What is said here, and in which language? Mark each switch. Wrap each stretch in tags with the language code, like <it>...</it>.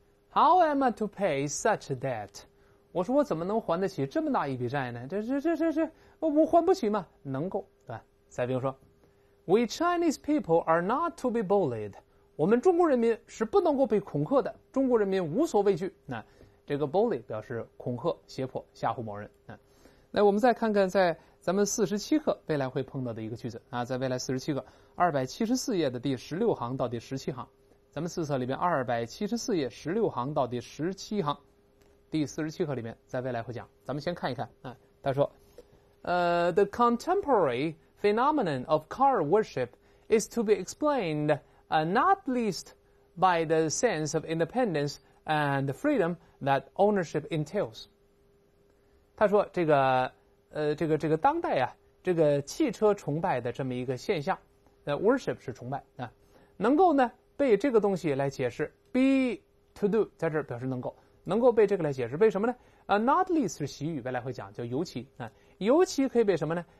<en>How am I to pay such a debt？</en> <zh>我说我怎么能还得起这么大一笔债呢？这我还不起嘛，能够，对吧？再比如说</zh> <en>，We Chinese people are not to be bullied。</en> <zh>我们中国人民是不能够被恐吓的，中国人民无所畏惧。那这个 bully 表示恐吓、胁迫、吓唬某人。那我们再看看在咱们47课未来会碰到的一个句子啊，在未来47课274页的第16行到第17行，咱们四册里面274页16行到第17行第47课里面，在未来会讲，咱们先看一看啊。他说</zh> <en>The contemporary phenomenon of car worship is to be explainedNot least by the sense of independence and freedom that ownership entails.</en> <zh>他说这个当代啊，这个汽车崇拜的这么一个现象，worship 是崇拜啊，能够呢被这个东西来解释 ,be to do, 在这儿表示能够被这个来解释，为什么呢？ Not least 是习语，未来会讲叫尤其啊，尤其可以被什么呢？</zh>